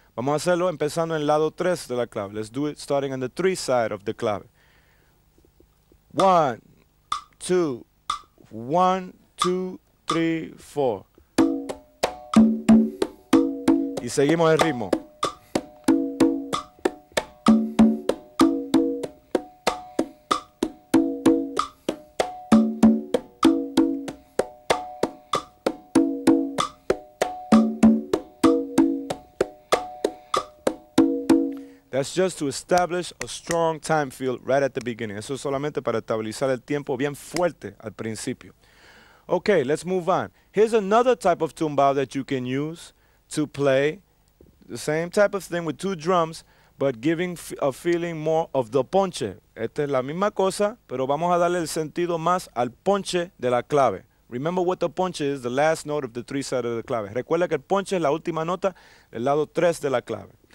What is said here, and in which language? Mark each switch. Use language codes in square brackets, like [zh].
[es] Vamos a hacerlo empezando en el lado 3 de la clave. [en] Let's do it starting on the 3 side of the clave. 1, 2, 1, 2, 3, 4. [es] Y seguimos el ritmo. [en] That's just to establish a strong time feel right at the beginning. [es] Eso es solamente para estabilizar el tiempo bien fuerte al principio. [en] Okay, let's move on. Here's another type of tumbao that you can use to play. The same type of thing with two drums, but giving a feeling more of the ponche. [es] Esta es la misma cosa, pero vamos a darle el sentido más al ponche de la clave. [en] Remember what the ponche is, the last note of the three side of the clave. [es] Recuerda que el ponche es la última nota del lado 3 de la clave.